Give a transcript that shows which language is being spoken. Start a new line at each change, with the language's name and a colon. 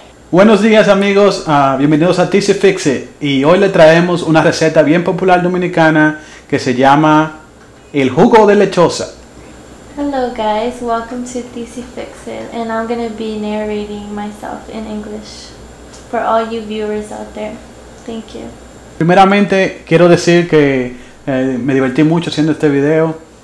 Spanish: Buenos días amigos, bienvenidos a Tizzy Fixit y hoy le traemos una receta bien popular dominicana que se llama el jugo de lechosa.
English: Hello guys, welcome to Tizzy Fix It, and I'm gonna be narrating myself in English for all you viewers out there. Thank you.
Spanish: Primeramente, quiero decir que me divertí mucho haciendo este video.